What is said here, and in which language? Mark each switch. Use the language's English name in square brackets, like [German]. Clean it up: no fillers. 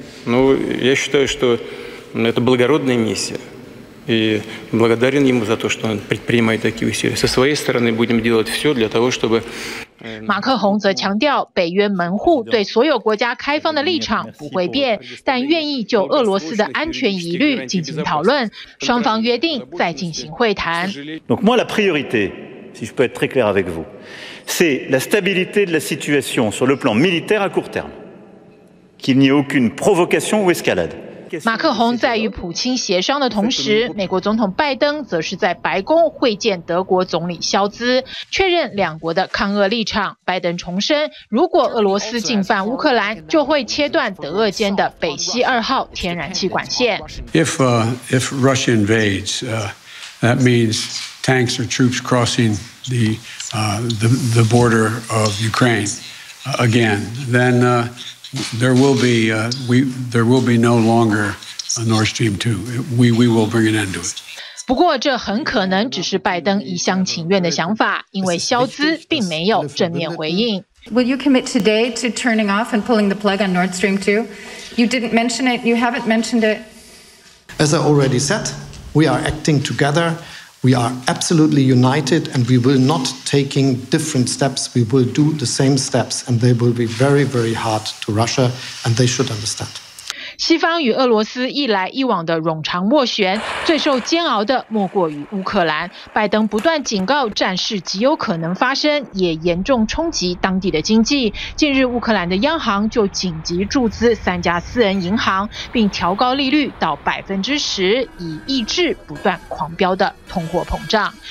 [Russian] Я считаю, что это благородная миссия. и благодарен ему за то, что он предпринимает такие усилия. Со своей стороны будем делать все для того, чтобы [Chinese] 马克宏则强调，北约门户对所有国家开放的立场不会变，但愿意就俄罗斯的安全疑虑进行讨论，双方约定再进行会谈。 [French] Donc moi la priorité, si je peux être très clair avec vous, c'est la stabilité de la situation sur le plan militaire à court terme, qu'il n'y ait aucune provocation ou escalade. [Chinese] 马克宏在与普京协商的同时，美国总统拜登则是在白宫会见德国总理肖兹，确认两国的抗俄立场。拜登重申，如果俄罗斯进犯乌克兰，就会切断德俄间的北溪二号天然气管线。 [English] If Russia invades, that means tanks or troops crossing the border of Ukraine again. Then. There will be no longer a Nord Stream 2. We will bring an end to it. [Chinese] 不过，这很可能只是拜登一厢情愿的想法，因为肖兹并没有正面回应。 [English] Will you commit today to turning off and pulling the plug on Nord Stream 2? You didn't mention it. You haven't mentioned it. As I already said, we are acting together. We are absolutely united, and we will not taking different steps. We will do the same steps, and they will be very, very hard to Russia, and they should understand. [Chinese] 西方与俄罗斯一来一往的冗长斡旋，最受煎熬的莫过于乌克兰。拜登不断警告，战事极有可能发生，也严重冲击当地的经济。近日，乌克兰的央行就紧急注资三家私人银行，并调高利率到10%，以抑制不断狂飙的通货膨胀。